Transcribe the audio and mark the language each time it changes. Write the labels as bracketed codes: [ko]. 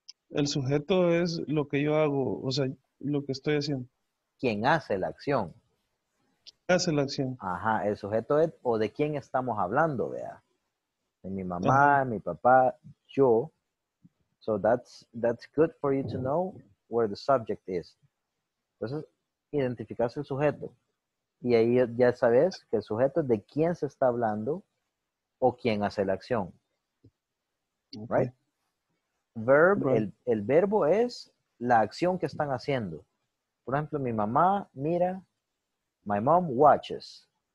[es] El sujeto es lo que yo hago, o sea, lo que estoy haciendo. ¿Quién hace la acción? ¿Quién hace la acción? Ajá, el sujeto es, o de quién estamos hablando, vea. De mi mamá, mi papá, yo. [en] So that's good for you to know where the subject is. [es] Entonces, identificas el sujeto. Y ahí ya sabes que el sujeto es de quién se está hablando o quién hace la acción. Okay. [en] Right? Verb, right. [es] El verbo es la acción que están haciendo. Por ejemplo, mi mamá mira. [en] My mom watches.